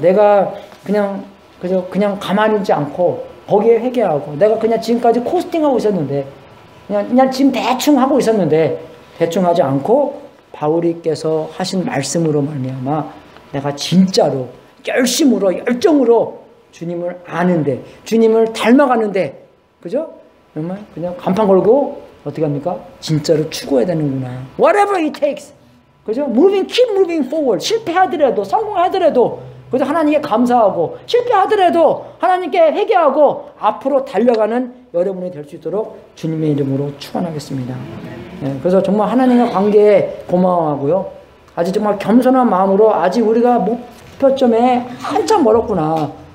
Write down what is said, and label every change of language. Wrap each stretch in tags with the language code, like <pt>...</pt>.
<ko>내가 그냥 가만히 있지 않고 거기에 회개하고, 내가 그냥 지금까지 코스팅하고 있었는데, 그냥 지금 대충 하고 있었는데, 대충 하지 않고 바울이께서 하신 말씀으로 말미암아 내가 진짜로 열심으로 열정으로 주님을 아는데, 주님을 닮아가는데, 그죠? 정말 그냥 간판 걸고 어떻게 합니까? 진짜로 추구해야 되는구나.</ko> <en>Whatever it takes,</en> <ko>그죠?</ko> <en>Moving, keep moving forward.</en> <ko>실패하더라도, 성공하더라도, 그래서 하나님께 감사하고, 실패하더라도 하나님께 회개하고 앞으로 달려가는 여러분이 될 수 있도록 주님의 이름으로 축원하겠습니다. 네, 그래서 정말 하나님과 관계에 고마워하고요. 아직 정말 겸손한 마음으로, 아직 우리가 목표점에 한참 멀었구나.</ko>